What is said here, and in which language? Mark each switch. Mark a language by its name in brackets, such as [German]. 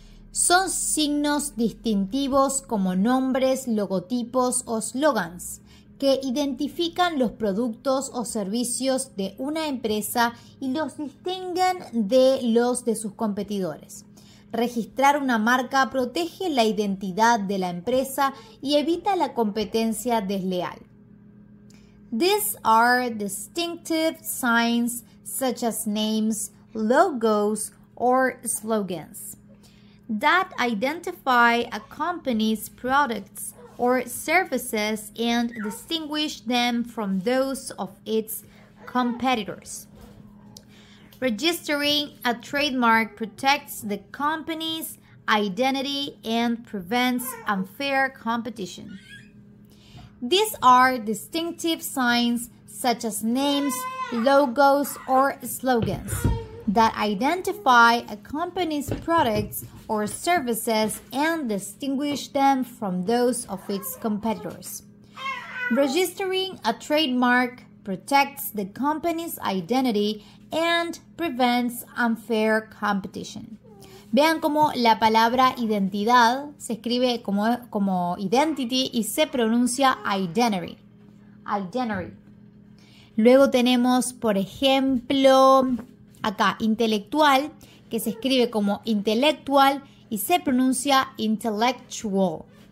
[Spanish] Son signos distintivos como nombres, logotipos o slogans que identifican los productos o servicios de una empresa y los distinguen de los de sus competidores. Registrar una marca protege la identidad de la empresa y evita la competencia desleal. [English] These are distinctive signs such as names, logos, or slogans that identify a company's products or services and distinguish them from those of its competitors. Registering a trademark protects the company's identity and prevents unfair competition. These are distinctive signs such as names, logos, or slogans that identify a company's products or services and distinguish them from those of its competitors. Registering a trademark protects the company's identity and prevents unfair competition. [Spanish] Vean cómo la palabra identidad se escribe como identity y se pronuncia identity. Identity. Luego tenemos, por ejemplo, acá, intelectual, que se escribe como intellectual y se pronuncia intellectual.